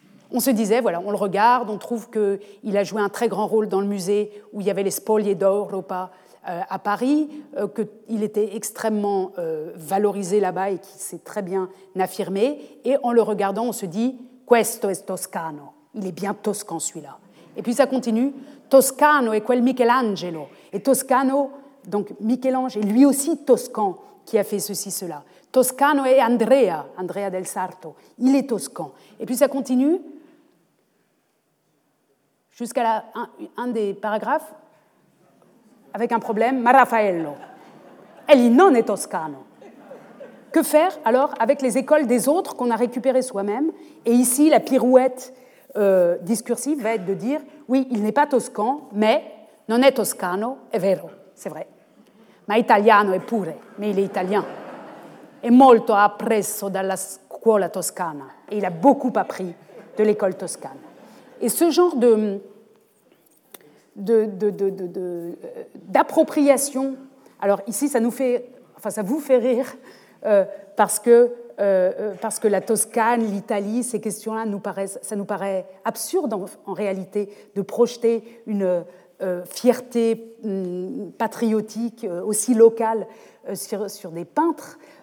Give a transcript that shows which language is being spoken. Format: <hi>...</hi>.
<fr>On se disait, voilà, on le regarde, on trouve qu'il a joué un très grand rôle dans le musée où il y avait les Spoglie d'Europa à Paris, qu'il était extrêmement valorisé là-bas et qu'il s'est très bien affirmé. Et en le regardant, on se dit,</fr> <it>questo è Toscano,</it> <fr>il est bien toscan celui-là. Et puis ça continue,</fr> <it>Toscano è quel Michelangelo.</it> <fr>Et Toscano, donc Michel-Ange, est lui aussi toscan, qui a fait ceci, cela.</fr> <it>Toscano è Andrea del Sarto.</it> <fr>Il est toscan. Et puis ça continue jusqu'à un des paragraphes avec un problème.</fr> <it>Ma Raffaello. Egli non è toscano.</it> <fr>Que faire alors avec les écoles des autres qu'on a récupérées soi-même? Et ici, la pirouette discursive va être de dire oui, il n'est pas toscan, mais</fr> <it>non è toscano, è vero.</it> <fr>C'est vrai.</fr> <it>Ma italiano è pure,</it> <fr>mais il est italien.</fr> <it>E molto ha appreso dalla scuola toscana.</it> <fr>Et il a beaucoup appris de l'école toscane. Et ce genre d'appropriation, alors ici, ça vous fait rire parce que parce que la Toscane, l'Italie, ces questions-là, ça nous paraît absurde en réalité de projeter une fierté patriotique aussi locale sur des peintres.</fr>